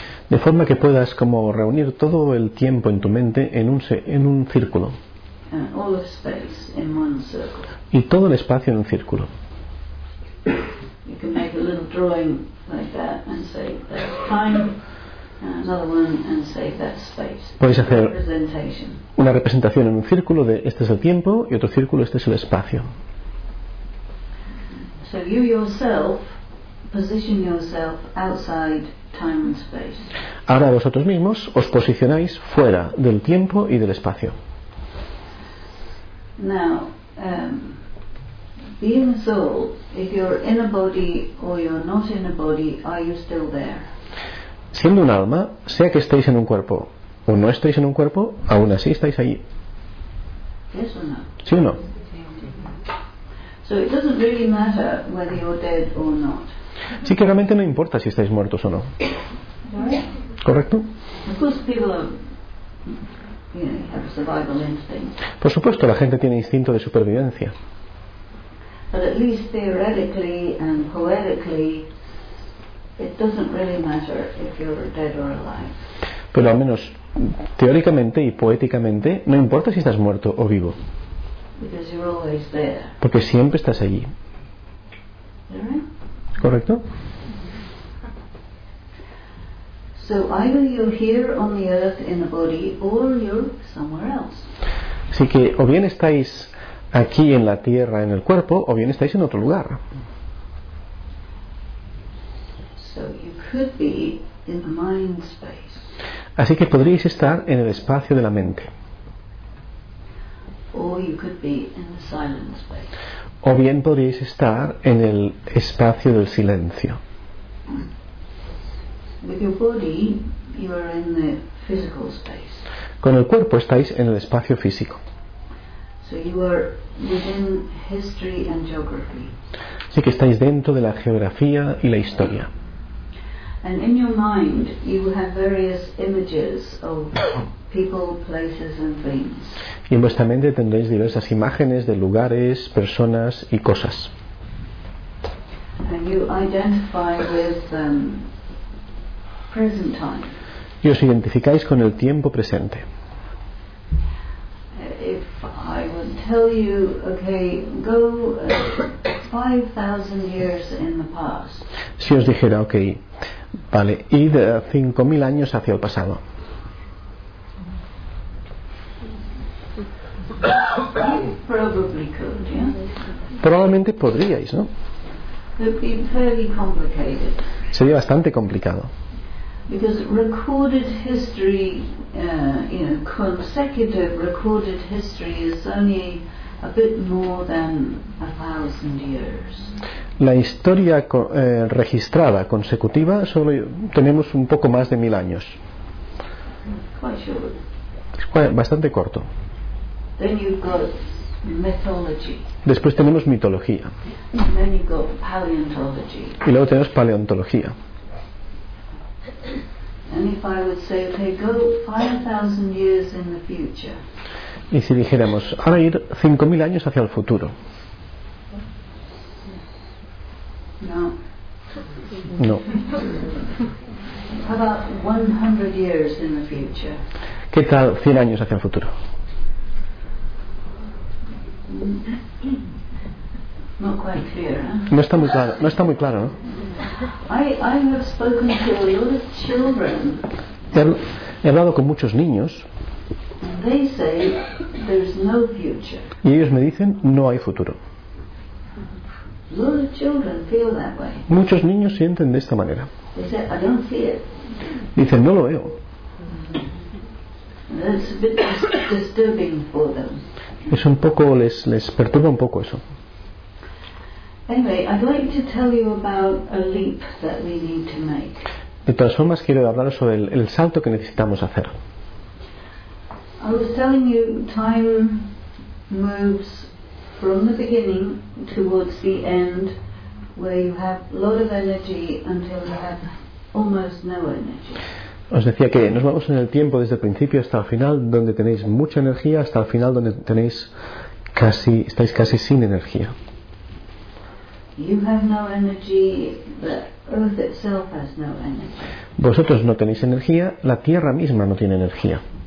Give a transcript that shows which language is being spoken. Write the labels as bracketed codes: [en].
[es] De forma que puedas como reunir todo el tiempo en tu mente en un círculo. [en] All of space in one circle. [es] Y todo el espacio en un círculo. [en] You can make a little drawing like that and say that's time, and another one and say that's space. [es] Puedes hacer una representación en un círculo de este es el tiempo y otro círculo este es el espacio. [en] So you yourself position yourself outside time and space. [es] Ahora vosotros mismos os posicionáis fuera del tiempo y del espacio. [en] Now, being a soul, if you're in a body or you're not in a body, are you still there? [es] Siendo un alma, sea que estéis en un cuerpo o no estéis en un cuerpo, aún así estáis allí. [en] Yes or no? [es] Sí o no. [en] So it doesn't really matter whether you're dead or not. [es] Sí, que realmente no importa si estáis muertos o no. ¿Correcto? [en] Of course people are, you know, have a survival instinct. [es] Por supuesto, la gente tiene instinto de supervivencia. [en] But at least theoretically and poetically, it doesn't really matter if you're dead or alive. [es] Pero al menos teóricamente y poéticamente no importa si estás muerto o vivo. [en] Because you're always there. [es] Porque siempre estás allí. [en] Right? [es] ¿Correcto? [en] So either you're here on the earth in a body or you're somewhere else. [es] Así que o bien estáis aquí en la tierra en el cuerpo o bien estáis en otro lugar. [en] So you could be in the mind space. [es] Así que podríais estar en el espacio de la mente. [en] Or you could be in the silent space. [es] O bien podríais estar en el espacio del silencio. [en] With your body, you are in the physical space. [es] Con el cuerpo estáis en el espacio físico. [en] So you are within history and geography. [es] Así que estáis dentro de la geografía y la historia. [en] And in your mind, you have various images of people, places, and things. [es] Y en vuestra mente tendréis diversas imágenes de lugares, personas y cosas. [en] And you identify with present time. [es] Y os identificáis con el tiempo presente. [en] If I would tell you, okay, go 5,000 years in the past. [es] Si os dijera, okay. Vale, y de 5.000 años hacia el pasado. [en] Probably could, yeah? [es] Probablemente podríais, ¿no? [en] It'd be fairly complicated. [es] Sería bastante complicado. [en] Because recorded history, consecutive recorded history is only a bit more than 1,000 years. [es] La historia registrada consecutiva solo tenemos un poco más de 1,000 años. [en] Quite short. [es] Es bastante corto. [en] Then you've got mythology. [es] Después tenemos mitología. [en] Then you've got paleontology. [es] Y luego tenemos paleontología. [en] And if I would say, okay, go 5,000 years in the future. [es] Y si dijéramos, ahora ir 5.000 años hacia el futuro. [en] No. [es] No. [en] How about 100 years in the future? [es] ¿Qué tal 100 años hacia el futuro? [en] Not quite clear, [es] ¿eh? No está muy claro. No está muy claro, ¿no? [en] I have spoken to a lot of children. [es] He hablado con muchos niños. [en] And they say there's no future. [es] Y ellos me dicen no hay futuro. [en] A lot of children feel that way. [es] Muchos niños sienten de esta manera. [en] They say, I don't see it. [es] Dicen, no lo veo. [en] It's a bit disturbing for them. [es] Es un poco, les perturba un poco eso. [en] Anyway, I'd like to tell you about a leap that we need to make. [es] De todas formas, quiero hablaros sobre el salto que necesitamos hacer. [en] I was telling you, time moves from the beginning towards the end, where you have a lot of energy until you have almost no energy. [es] Os decía que nos vamos en el tiempo desde el principio hasta el final, donde tenéis mucha energía, hasta el final donde tenéis casi, estáis casi sin energía. [en] You have no energy, the earth itself has no energy. [es] Vosotros no tenéis energía, la tierra misma no tiene energía.